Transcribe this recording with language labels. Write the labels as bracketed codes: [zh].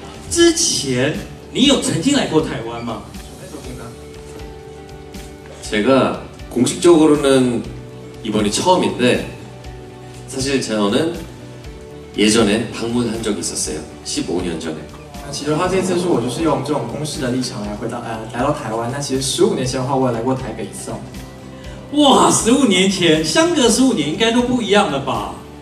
[zh] 之前你有曾经来过台湾吗 [ko] 제가공식적으로는이번이처음인데사실저는예전에방문한적이있었어요15년전에 [zh] 其实他这次是我就是用这种公司的立场来回答来到台湾那其实15年前的话我也来过台北一次哇15年前相隔15年应该都不一样了吧